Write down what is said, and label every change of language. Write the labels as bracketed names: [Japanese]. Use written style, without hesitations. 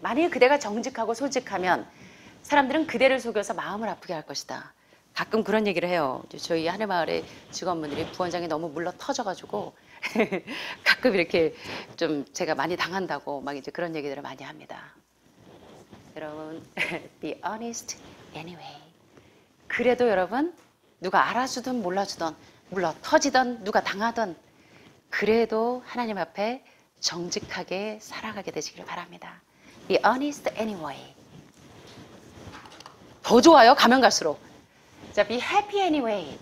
[Korean] 만일 그대가 정직하고 솔직하면 사람들은 그대를 속여서 마음을 아프게 할 것이다. 가끔 그런 얘기를 해요. 저희 하늘마을의 직원분들이 부원장이 너무 물러 터져가지고 가끔 이렇게 좀 제가 많이 당한다고 막 이제 그런 얘기들을 많이 합니다. 여러분, [English] be honest anyway. [Korean] 그래도 여러분, 누가 알아주든 몰라주든 물러 터지든 누가 당하든 그래도 하나님 앞에 정직하게 살아가게 되시길 바랍니다. [English] Be honest anyway. [Korean] 더 좋아요, 가면 갈수록. 자, [English] be happy anyway.